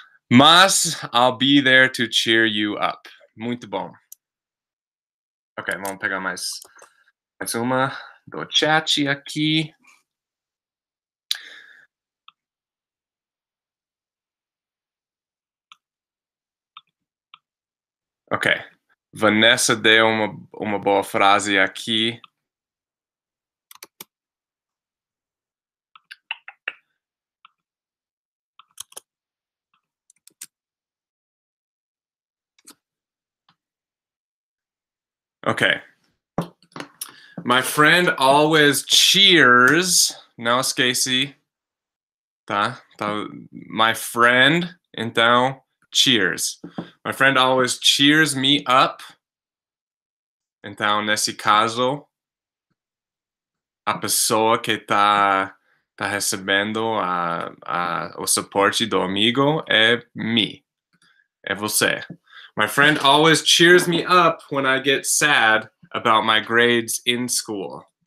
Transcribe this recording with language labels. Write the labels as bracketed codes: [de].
[en] Mas, I'll be there to cheer you up. [pt] Muito bom. Ok, vamos pegar mais uma do chat aqui. Ok. Vanessa deu uma boa frase aqui. [en] Ok. My friend always cheers. [pt] Não esquece. Tá? [en] My friend. Então, cheers. My friend always cheers me up. [pt] Então, nesse caso, a pessoa que tá recebendo o suporte do amigo é me. É você. [en] My friend always cheers me up when I get sad about my grades in school.